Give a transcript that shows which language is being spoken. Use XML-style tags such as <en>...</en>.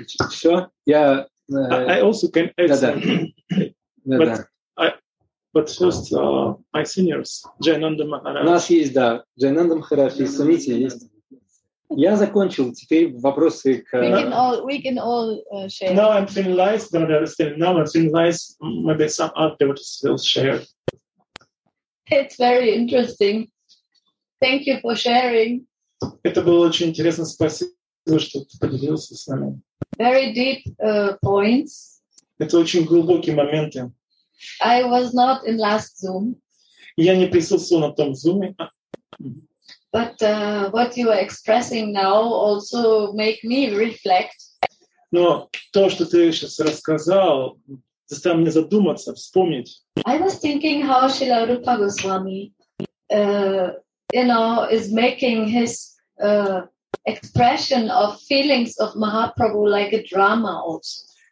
<ru>Все?</ru> <en>I also can add something. But first, my seniors, Jayananda Maharaj.</en> <ru>У нас есть, да, Jayananda Maharaj и Смриti есть. Я закончил, теперь вопросы к...</ru> <en>We can all share. Now I'm finalized, but I understand. Now I'm finalized, maybe some other devotees will share. It's very interesting. Thank you for sharing.</en> <ru>Это было очень интересно. Спасибо, что ты поделился с нами.</ru> <en>Very deep points.</en> <ru>Это очень глубокие моменты.</ru> <en>I was not in last Zoom.</en> <ru>Я не присутствовал на том Zoom.</ru> <en>But what you are expressing now also make me reflect.</en> <ru>Но то, что ты сейчас рассказал, заставил меня задуматься, вспомнить.</ru> <en>I was thinking how Srila Rupa Goswami is making his expression of feelings of Mahaprabhu like a drama also.</en>